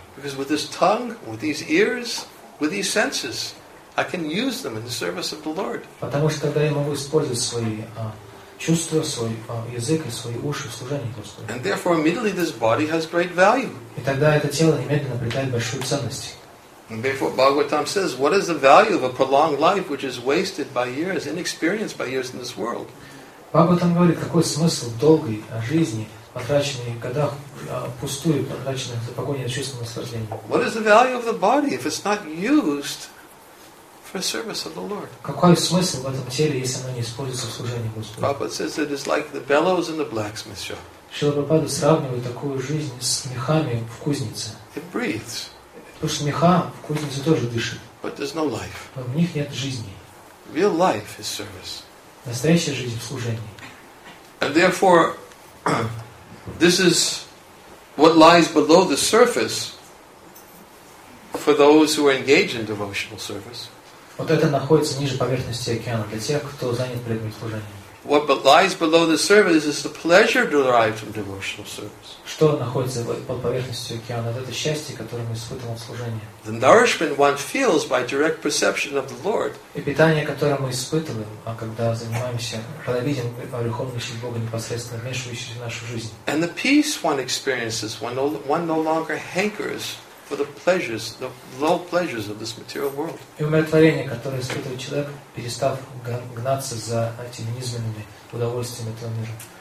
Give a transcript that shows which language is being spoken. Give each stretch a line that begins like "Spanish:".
English: Because with this tongue, with these ears, with these senses, I can use them in the service of the Lord.
Russian: Потому что тогда я могу использовать свои чувства, свой язык и свои уши в служении Господу.
English: And therefore, immediately this body has great value.
Russian: И тогда это тело немедленно обретает большую ценность.
English: And therefore, Bhagavatam says, what is the value of a prolonged life which is wasted by years, inexperienced by years in this world?
Russian: Bhagavatam говорит, какой смысл долгой жизни, потраченной в годах, пустую, потраченной за погоней чувственного наслаждения?
English: What is the value of the body if it's not used for service of the Lord?
Russian: Какой смысл в этом теле, если оно не используется в служении Господу?
English: Prabhupada says it is like the bellows in the blacksmith shop.
Russian: Шрила Прабхупада сравнивает такую жизнь с мехами в кузнице.
English: It breathes.
Russian: Потому что меха в кузнице тоже дышит.
English: But there's no life.
Russian: Но в них нет жизни.
English: Real life is service.
Russian: Настоящая жизнь в служении.
English: And therefore, this is what lies below the surface for those who are engaged in devotional service.
Russian: Вот это находится ниже поверхности океана для тех, кто занят преданным служением.
English: What lies below the surface is the pleasure derived from devotional service.
Russian: Что находится под поверхностью океана? Это счастье, которое мы испытываем в служении.
English: The nourishment one feels by direct perception of the Lord.
Russian: И питание, которое мы испытываем, когда занимаемся, когда видим верховного Бога непосредственно вмешивающегося в нашу жизнь.
English: And the peace one experiences when one no longer hankers for the pleasures, the low pleasures of this material world.
Russian: И умиротворение, которое испытывает человек, перестав гнаться за этими низменными удовольствиями этого мира.